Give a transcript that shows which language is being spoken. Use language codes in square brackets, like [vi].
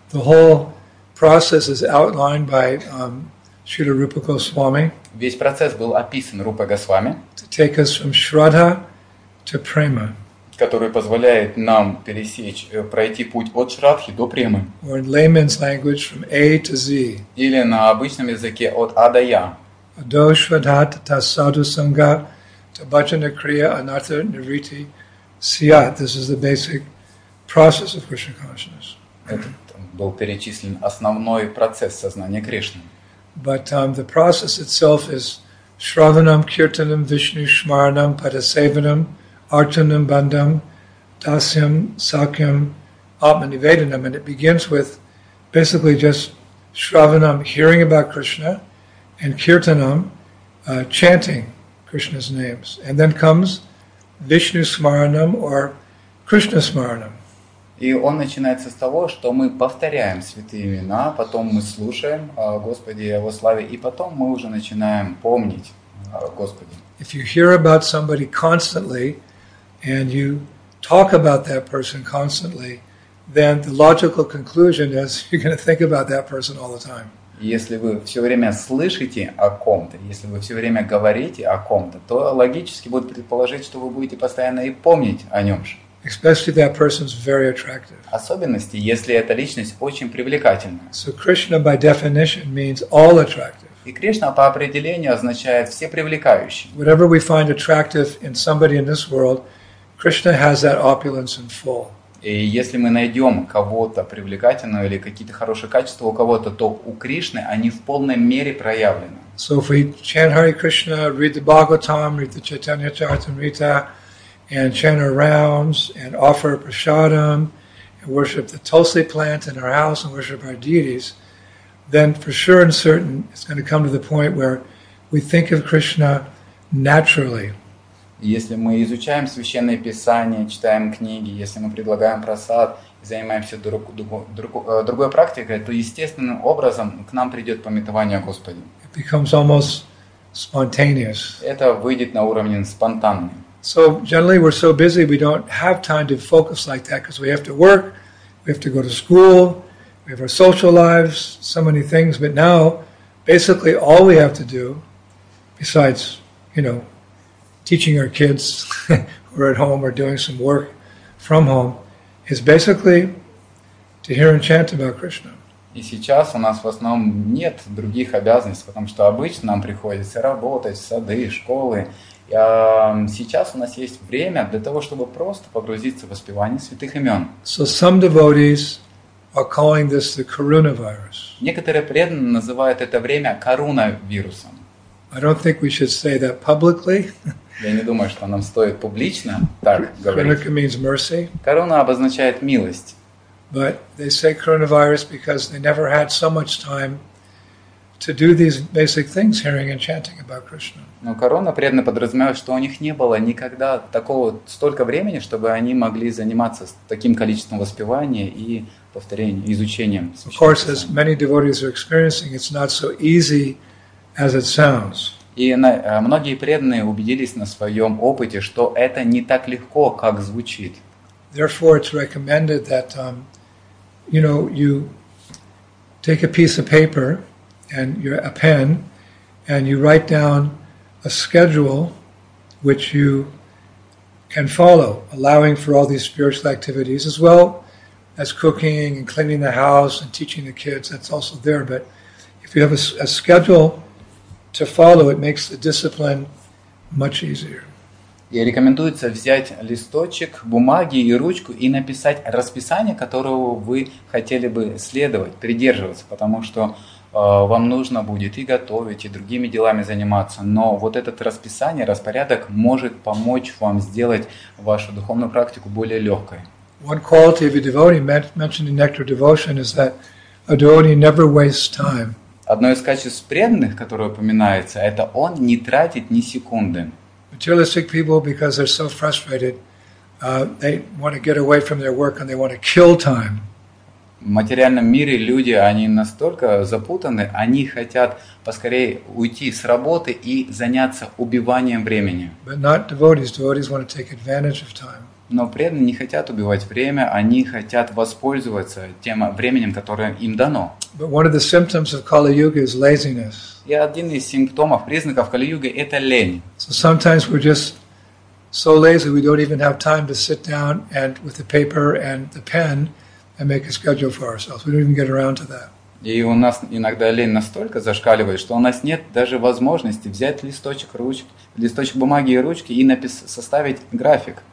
[en] The whole process is outlined by Śrīla Rūpa Gosvāmī. [ru] Весь процесс был описан Рупа Госвами. [en] To take us from Shraddha to Prema. [ru] Который позволяет нам пройти путь от Шрадхи до Премы. [en] Or in layman's language, from A to Z. [ru] Или на обычном языке от А до Я. [sa] Adho Shraddha tathā sadhu saṅgha. Tabajana Kriya Anatha Nirviti Siyat. [en] This is the basic process of Krishna consciousness. [ru] Это был перечислен основной процесс сознания Кришны. [en] But the process itself is [sa] Shravanam Kirtanam Vishnu Shmaranam Padasevanam Archanam Bandham Dasyam Sakyam Atmanivedanam. [en] And it begins with basically just Shravanam, hearing about Krishna, and Kirtanam, chanting Krishna's names, and then comes Vishnu Smaranam or Krishna Smaranam. [ru] И он начинается с того, что мы повторяем святые имена, потом мы слушаем Господи его славе, и потом мы уже начинаем помнить Господи. [en] If you hear about somebody constantly and you talk about that person constantly, then the logical conclusion is you're going to think about that person all the time. [ru] Если вы все время слышите о ком-то, если вы все время говорите о ком-то, то логически будет предположить, что вы будете постоянно и помнить о нем же. [en] Especially if that person's very attractive. [ru] Особенности, если эта личность очень привлекательна. [en] So Krishna by definition means all attractive. [ru] И Кришна по определению означает все привлекающие. [en] Whatever we find attractive in somebody in this world, Krishna has that opulence in full. [ru] И если мы найдем кого-то привлекательного или какие-то хорошие качества у кого-то, то у Кришны они в полной мере проявлены. [en] So if we chant Hare Krishna, read the Bhagavatam, read the Chaitanya Charitamrita, and chant our rounds, and offer prasadam, and worship the Tulsi plant in our house, and worship our deities, then for sure and certain it's going to come to the point where we think of Krishna naturally. [ru] если мы изучаем священные писания, читаем книги, если мы предлагаем просад, занимаемся другой практикой, то естественным образом к нам придет памятование о Господе. [en] It becomes almost spontaneous. [ru] Это выйдет на уровне спонтанный. [en] So generally we're so busy we don't have time to focus like that because we have to work, we have to go to school, we have our social lives, so many things. But now basically all we have to do, besides, you know, teaching our kids who are at home or doing some work from home, is basically to hear and chant about Krishna. [ru] И сейчас у нас в основном нет других обязанностей, потому что обычно нам приходится работать, сады, школы. Сейчас у нас есть время для того, чтобы просто погрузиться в воспевание святых имен. [en] So some devotees are calling this the coronavirus. [ru] Некоторые преданные называют это время коронавирусом. [en] I don't think we should say that publicly. [ru] Я не думаю, что нам стоит публично так говорить. [en] Coronavirus means mercy. [ru] Корона обозначает милость. [en] But they say coronavirus because they never had so much time to do these basic things, hearing and chanting about Krishna. [ru] Но корона преданно подразумевает, что у них не было никогда такого столько времени, чтобы они могли заниматься таким количеством воспевания и повторения, изучением. [en] Of course, as many devotees are experiencing, it's not so easy as it sounds. [ru] И многие преданные убедились на своем опыте, что это не так легко, как звучит. [en] Therefore, it's recommended that you know, you take a piece of paper and a pen, and you write down a schedule which you can follow, allowing for all these spiritual activities as well as cooking and cleaning the house and teaching the kids. That's also there. But if you have a schedule to follow, it makes the discipline much easier. [ru] И рекомендуется взять листочек бумаги и ручку и написать расписание, которого вы хотели бы следовать, придерживаться, потому что вам нужно будет и готовить, и другими делами заниматься. Но вот этот расписание, распорядок может помочь вам сделать вашу духовную практику более легкой. [en] One quality of a devotee mentioned in Nectar Devotion is that a devotee never wastes time. [ru] Одно из качеств преданных, которое упоминается, это он не тратит ни секунды. [en] Materialistic people, because they're so frustrated, they want to get away from their work and they want to kill time. [ru] В материальном мире люди, они настолько запутаны, они хотят поскорее уйти с работы и заняться убиванием времени. [en] But not devotees. Devotees want to take advantage of time. [ru] Но преданные не хотят убивать время, они хотят воспользоваться тем временем, которое им дано. [en] But one of the symptoms of Kali Yuga is laziness. [ru] И один из симптомов, признаков Кали Юги – это лень. [en] So sometimes we're just so lazy we don't even have time to sit down and with the paper and the pen and make a schedule for ourselves. We don't even get around to that. [ru] И у нас иногда лень настолько зашкаливает, что у нас нет даже возможности взять листочек ручки, листочек бумаги и ручки и составить график.